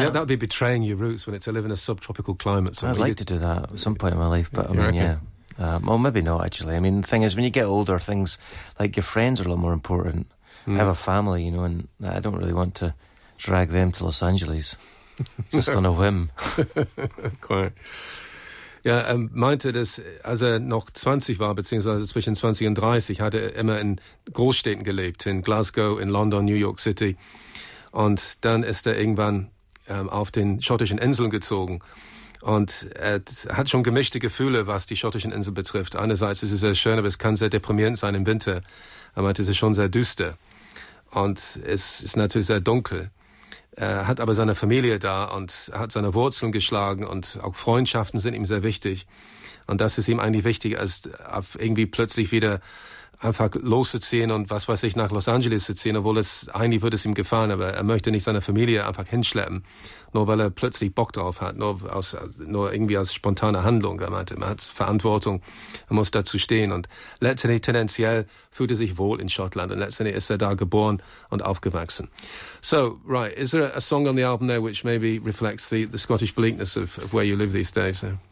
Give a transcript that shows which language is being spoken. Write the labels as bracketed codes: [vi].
[en] You know, that would be betraying your roots when it's to live in a subtropical climate. I'd like to do that at some point in my life, but I mean, yeah. Well, maybe not, actually. I mean, the thing is, when you get older, things like your friends are a lot more important. Mm. I have a family, you know, and I don't really want to drag them to Los Angeles. Just on a whim. Quite. [de] Ja, meinte, dass als er noch 20 war, beziehungsweise zwischen 20 und 30, hat er immer in Großstädten gelebt, in Glasgow, in London, New York City. Und dann ist er irgendwann auf den schottischen Inseln gezogen. Und er hat schon gemischte Gefühle, was die schottischen Inseln betrifft. Einerseits ist es sehr schön, aber es kann sehr deprimierend sein im Winter. Er meinte, es ist schon sehr düster. Und es ist natürlich sehr dunkel. Er hat aber seine Familie da und hat seine Wurzeln geschlagen und auch Freundschaften sind ihm sehr wichtig. Und das ist ihm eigentlich wichtiger, als irgendwie plötzlich wieder einfach loszuziehen und was weiß ich, nach Los Angeles zu ziehen, obwohl es eigentlich würde es ihm gefallen, aber er möchte nicht seine Familie einfach hinschleppen, nur weil er plötzlich Bock drauf hat, nur irgendwie aus spontaner Handlung. Er meinte, man hat Verantwortung, er muss dazu stehen und letztendlich tendenziell fühlt er sich wohl in Schottland und letztendlich ist er da geboren und aufgewachsen. [en] So, right, is there a song on the album there which maybe reflects the Scottish bleakness of where you live these days?